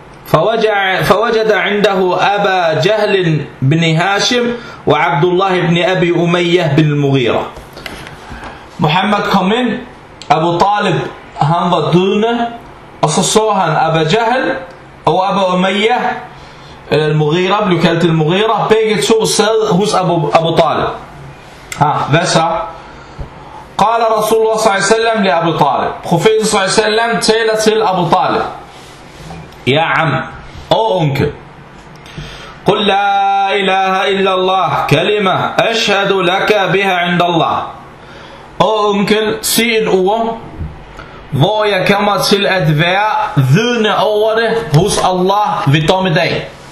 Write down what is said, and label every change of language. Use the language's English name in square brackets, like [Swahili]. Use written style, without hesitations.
[Arabic] فوجد عنده أبا جهل بن هاشم وعبد الله بن أبي أمية بن المغيرة. [Danish] محمد kom in, أبو طالب han var døende, og så så han Abu Jahl og Abu Umayya, المغيرة blev kaldt المغيرة, begge to sad hos Abu Talib. Ha, hvad så? [Arabic] قال رسول الله صلى الله عليه وسلم لأبو طالب. [Danish] Profeten [Arabic] صلى الله عليه وسلم [Danish] taler til Abu Talib. Ja, am. Og unke. [Arabic] قل لا إله إلا الله كلمة أشهد لك بها عند الله. [Danish] Og unke, sig et ord, hvor jeg kommer til at være vidne over det hos Allah ved dommedag.